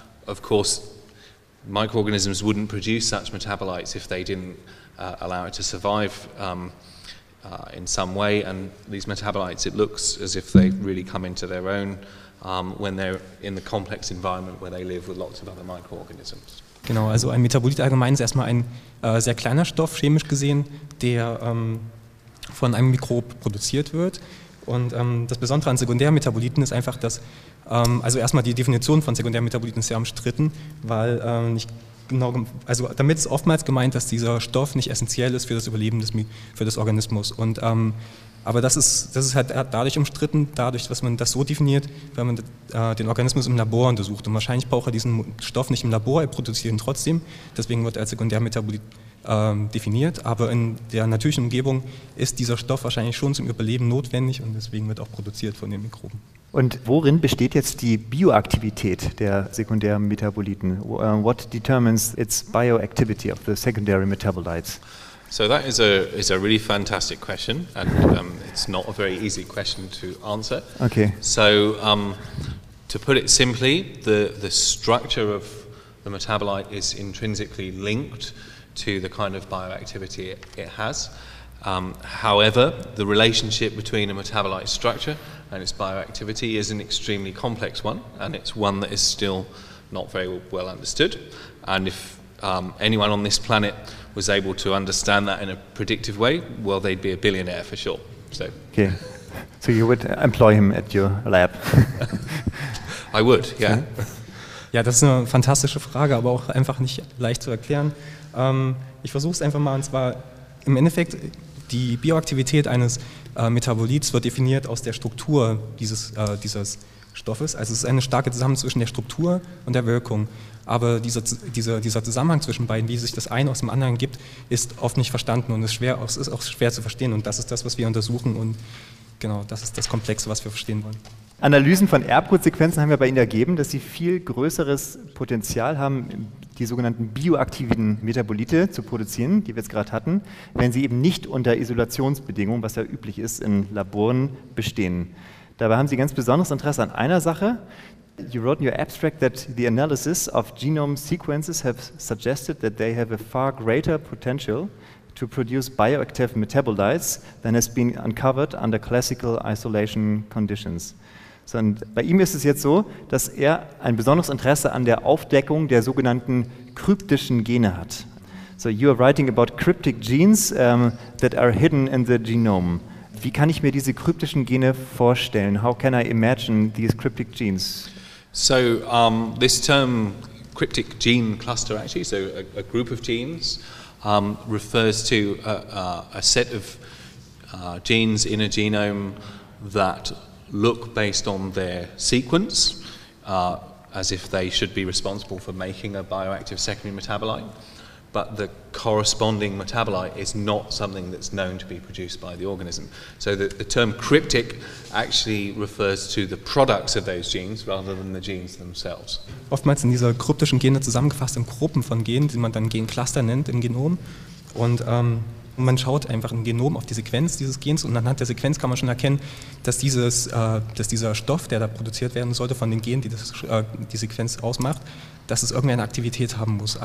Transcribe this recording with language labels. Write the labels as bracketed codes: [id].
[en] Of course, microorganisms wouldn't produce such metabolites if they didn't allow it to survive in some way. And these metabolites, it looks as if they really come into their own when they're in the complex environment where they live with lots of other microorganisms. [de] Genau, also ein Metabolit allgemein ist erstmal ein sehr kleiner Stoff, chemisch gesehen, der von einem Mikrob produziert wird. Und das Besondere an Sekundärmetaboliten ist einfach, dass, also erstmal die Definition von Sekundärmetaboliten ist sehr umstritten, weil nicht genau, also damit ist oftmals gemeint, dass dieser Stoff nicht essentiell ist für das Überleben des Organismus. Und aber das ist halt dadurch umstritten, dadurch, dass man das so definiert, wenn man den Organismus im Labor untersucht. Und wahrscheinlich braucht er diesen Stoff nicht im Labor, er produziert ihn trotzdem. Deswegen wird er als Sekundärmetabolit definiert. Aber in der natürlichen Umgebung ist dieser Stoff wahrscheinlich schon zum Überleben notwendig, und deswegen wird auch produziert von den Mikroben. Und worin besteht jetzt die Bioaktivität der Sekundärmetaboliten? [en] What determines its bioactivity of the secondary metabolites? So that is a really fantastic question, and it's not a very easy question to answer. Okay. So to put it simply, the structure of the metabolite is intrinsically linked to the kind of bioactivity it has, However, the relationship between a metabolite structure and its bioactivity is an extremely complex one, and it's one that is still not very well understood. And if anyone on this planet was able to understand that in a predictive way, well, they'd be a billionaire for sure. So, okay. So you would employ him at your lab? I would, yeah. [de] Ja, das ist eine fantastische Frage, aber auch einfach nicht leicht zu erklären. Ich versuche es einfach mal, und zwar im Endeffekt, die Bioaktivität eines Metabolits wird definiert aus der Struktur dieses Stoffes. Also es ist eine starke Zusammenhang zwischen der Struktur und der Wirkung. Aber dieser Zusammenhang zwischen beiden, wie sich das eine aus dem anderen gibt, ist oft nicht verstanden und ist auch schwer zu verstehen. Und das ist das, was wir untersuchen, und genau, das ist das Komplexe, was wir verstehen wollen. Analysen von Erbgutsequenzen haben wir bei Ihnen ergeben, dass Sie viel größeres Potenzial haben, die sogenannten bioaktiven Metabolite zu produzieren, die wir jetzt gerade hatten, wenn sie eben nicht unter Isolationsbedingungen, was ja üblich ist, in Laboren bestehen. Dabei haben Sie ganz besonderes Interesse an einer Sache. [en] You wrote in your abstract that the analysis of genome sequences have suggested that they have a far greater potential to produce bioactive metabolites than has been uncovered under classical isolation conditions. [de] Sondern bei ihm ist es jetzt so, dass er ein besonderes Interesse an der Aufdeckung der sogenannten kryptischen Gene hat. [en] So you are writing about cryptic genes that are hidden in the genome. [de] Wie kann ich mir diese kryptischen Gene vorstellen? [en] How can I imagine these cryptic genes? So this term cryptic gene cluster actually, so a group of genes, refers to a set of genes in a genome that look based on their sequence as if they should be responsible for making a bioactive secondary metabolite, but the corresponding metabolite is not something that's known to be produced by the organism. So the term cryptic actually refers to the products of those genes rather than the genes themselves. [de] Oftmals sind diese kryptischen Gene zusammengefasst in Gruppen von Genen, die man dann Gencluster nennt im Genom, und und man schaut einfach im Genom auf die Sequenz dieses Gens, und anhand der Sequenz kann man schon erkennen, dass dieser Stoff, der da produziert werden sollte von den Genen, die die Sequenz ausmacht, dass es irgendeine Aktivität haben muss.